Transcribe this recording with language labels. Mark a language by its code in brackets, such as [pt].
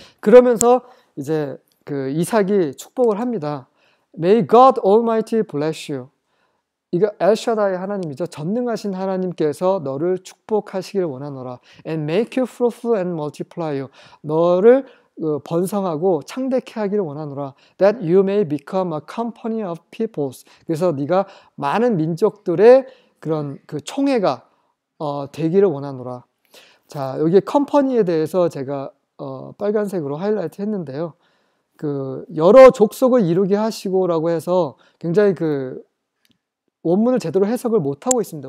[ko] 그러면서 이제 그 이삭이 축복을 합니다. [en] May God Almighty bless you. [ko] 이거 엘샤다의 하나님이죠. 전능하신 하나님께서 너를 축복하시기를 원하노라. [en] And make you fruitful and multiply you. [ko] 너를 번성하고 창대케 하기를 원하노라. [en] That you may become a company of peoples. [ko] 그래서 네가 많은 민족들의 그런 그 총회가 되기를 원하노라. 자, 여기 컴퍼니에 대해서 제가 빨간색으로 하이라이트 했는데요. 그 여러 족속을 이루게 하시고라고 해서 굉장히 그 원문을 제대로 해석을 못하고 있습니다.